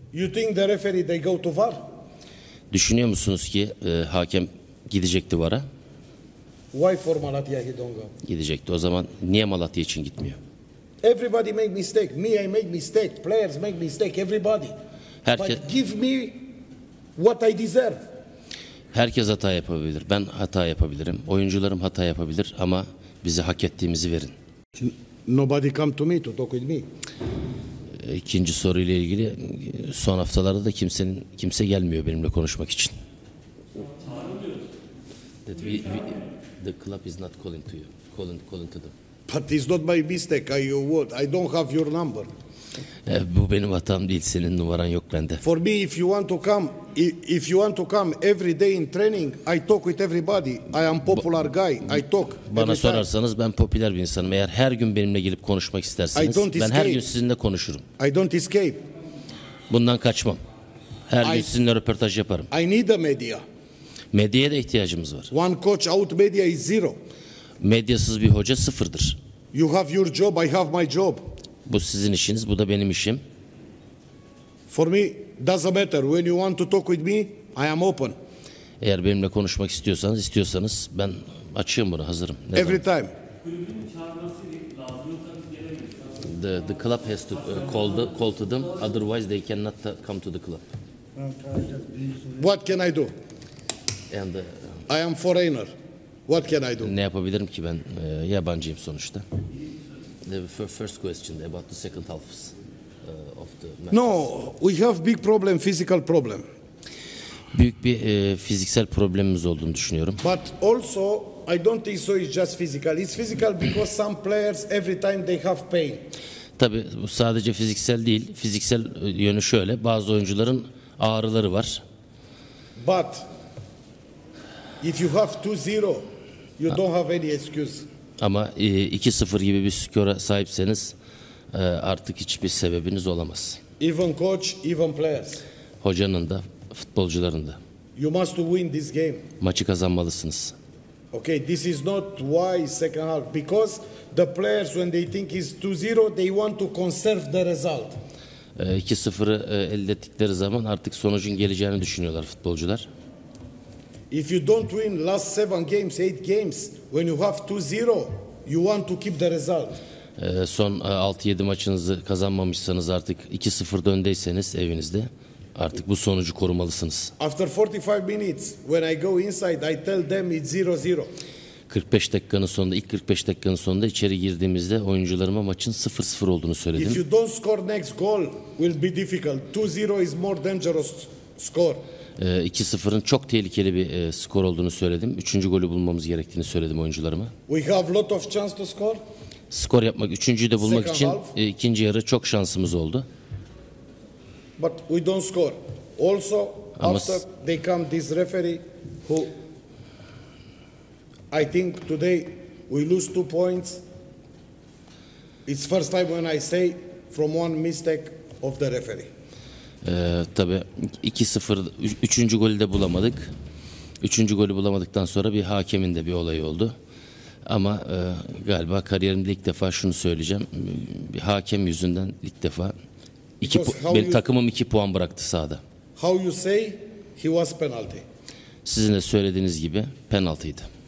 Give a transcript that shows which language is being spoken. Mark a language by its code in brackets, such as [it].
[en] You think the referee they go to VAR? [tr] Düşünüyor musunuz ki hakem gidecekti VAR'a? [en] Why for Malatya he don't go? [tr] Gidecekti. O zaman niye Malatya için gitmiyor? [en] Everybody make mistake. Me I make mistake. Players make mistake. Everybody. [tr] Herkes, [en] but give me what I deserve. [tr] Herkes hata yapabilir. Ben hata yapabilirim. Oyuncularım hata yapabilir ama bize hak ettiğimizi verin. [en] Nobody come to me to talk with me. [tr] İkinci soruyla ilgili son haftalarda da kimse gelmiyor benimle konuşmak için. [en] That the club is not calling to you. Calling to them. But it's not my mistake. I would. I don't have your number. [tr] Bu benim hatam değil. Senin numaran yok bende. [en] For me, if you want to come, if you want to come every day in training, I talk with everybody. I am popular guy. I talk. [tr] Bana sorarsanız ben popüler bir insanım. Eğer her gün benimle gelip konuşmak isterseniz, ben [en] escape. [tr] Her gün sizinle konuşurum. [en] I don't escape. [tr] Bundan kaçmam. Her gün sizinle röportaj yaparım. [en] I need the media. [tr] Medyaya da ihtiyacımız var. [en] One coach out, media is zero. [tr] Medyasız bir hoca sıfırdır. [en] You have your job, I have my job. [tr] Bu sizin işiniz, bu da benim işim. [en] For me doesn't matter when you want to talk with me, I am open. [tr] Eğer benimle konuşmak istiyorsanız ben açığım buna, hazırım. Ne Every zaman? Time. [en] The club has to call to them, otherwise they cannot come to the club. What can I do? And I am foreigner. What can I do? [tr] Ne yapabilirim ki ben? Yabancıyım sonuçta. [en] The first question about the second half of the match. No, we have big problem, physical problem. [tr] Büyük bir fiziksel problemimiz olduğunu düşünüyorum. [en] But also, I don't think so it's just physical. It's physical because some players every time they have pain. [tr] Tabii bu sadece fiziksel değil. Fiziksel yönü şöyle, bazı oyuncuların ağrıları var. [en] But if you have 2-0, you don't have any excuse. [tr] Ama 2-0 gibi bir skora sahipseniz artık hiçbir sebebiniz olamaz. [en] Even coach, even players. [tr] Hocanın da, futbolcuların da. [en] You must win this game. [tr] Maçı kazanmalısınız. [en] Okay, this is not why second half. Because the players when they think it's 2-0, they want to conserve the result. [tr] 2-0'ı elde ettikleri zaman artık sonucun geleceğini düşünüyorlar futbolcular. [en] If you don't win last 7 games, 8 games, when you have 2-0, you want to keep the result. [tr] Son 6-7 maçınızı kazanmamışsanız artık 2-0 öndeyseniz evinizde artık bu sonucu korumalısınız. [en] After 45 minutes, when I go inside, I tell them it's 0-0. [tr] 45 dakikanın sonunda, ilk 45 dakikanın sonunda içeri girdiğimizde oyuncularıma maçın 0-0 olduğunu söyledim. [en] If you don't score next goal will be difficult. 2-0 is more dangerous score. [tr] 2-0'ın çok tehlikeli bir skor olduğunu söyledim. Üçüncü golü bulmamız gerektiğini söyledim oyuncularıma. [en] We have lot of chance to score. [tr] Skor yapmak, üçüncüyü de bulmak için ikinci yarı çok şansımız oldu. [en] But we don't score. Also after they come this referee who I think today we lose two points. It's first time when I say from one mistake of the referee. [tr] Tabii 2-0 üçüncü golü de bulamadık. Üçüncü golü bulamadıktan sonra bir hakemin de bir olayı oldu. Ama galiba kariyerimde ilk defa şunu söyleyeceğim. Bir hakem yüzünden ilk defa takımım 2 puan bıraktı sahada. [en] How you say he was penalty? [tr] Sizin de söylediğiniz gibi penaltıydı.